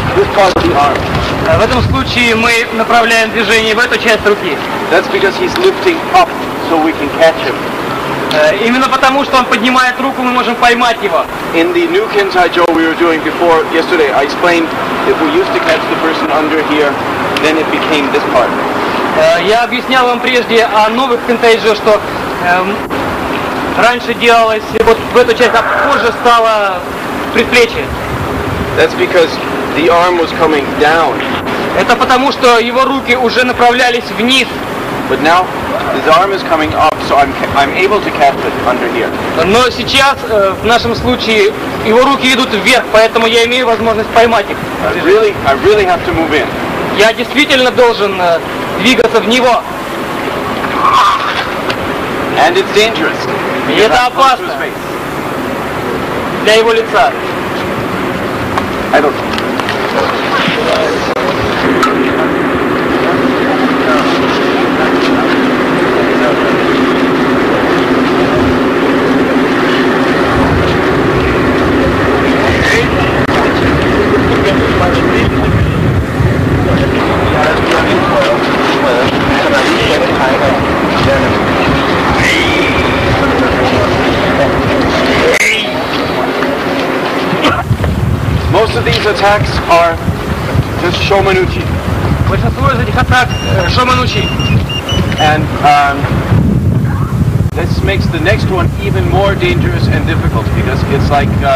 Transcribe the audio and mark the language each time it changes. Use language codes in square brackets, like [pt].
[ru] В этом случае мы направляем движение в эту часть руки. [en] That's because he's lifting up, so we can catch him. [ru] Именно потому, что он поднимает руку, мы можем поймать его. [en] In the new Kensaijo we were doing before yesterday, I explained that we used to catch the person under here, then it became this part. [ru] Я объяснял вам прежде о новых Kensaijo, что раньше делалось вот в эту часть, а позже стало предплечье. [en] That's because the arm was coming down. [ru] Это потому, что его руки уже направлялись вниз. [en] But now His arm is coming up, so I'm able to catch it under here. [ru] Но сейчас в нашем случае его руки идут вверх, поэтому я имею возможность поймать их. [en] I really have to move in. [ru] Я действительно должен двигаться в него. [en] And it's dangerous. [ru] И это опасно для его лица. [en] I don't. Most of these attacks are just Shomanuchi. [ru] Большинство из этих атак Shomanuchi. [en] And this makes the next one even more dangerous and difficult because it's like